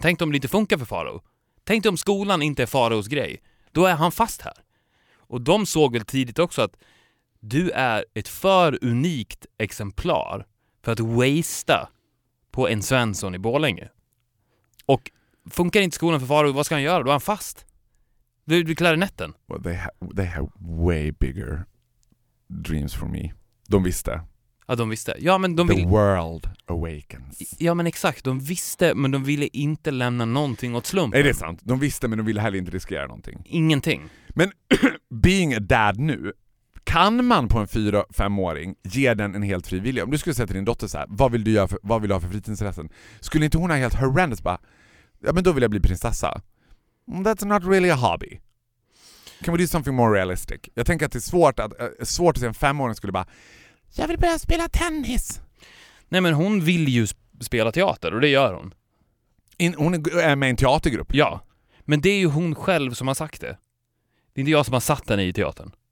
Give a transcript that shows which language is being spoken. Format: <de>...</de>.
<sv>Tänk om det inte funkar för Faro. Tänk om skolan inte är Faros grej. Då är han fast här. Och de såg väl tidigt också att du är ett för unikt exemplar för att wasta på en Svensson i Borlänge. Och funkar inte skolan för Faro, vad ska han göra? Då är han fast. Du klarar netten.</sv> <en>Well, they have way bigger dreams for me.</en> <sv>De visste. Ja, de visste. Ja, men de ville...</sv> <en>The world awakens.</en> <sv>Ja, men exakt. De visste, men de ville inte lämna någonting åt slumpen. Är det sant? De visste, men de ville heller inte riskera någonting. Ingenting. Men</sv> <en>being a dad</en> <sv>nu, kan man på en 4-5-åring ge den en helt frivillig? Om du skulle säga till din dotter så här, vad vill du ha för fritidsresen? Skulle inte hon ha helt horrendous bara... Ja, men då vill jag bli prinsessa.</sv> <en>That's not really a hobby. Can we do something more realistic?</en> <sv>Jag tänker att det är svårt att se en femåring skulle bara, jag vill börja spela tennis. Nej, men hon vill ju spela teater och det gör hon. Hon är med i en teatergrupp? Ja, men det är ju hon själv som har sagt det. Det är inte jag som har satt henne i teatern.</sv>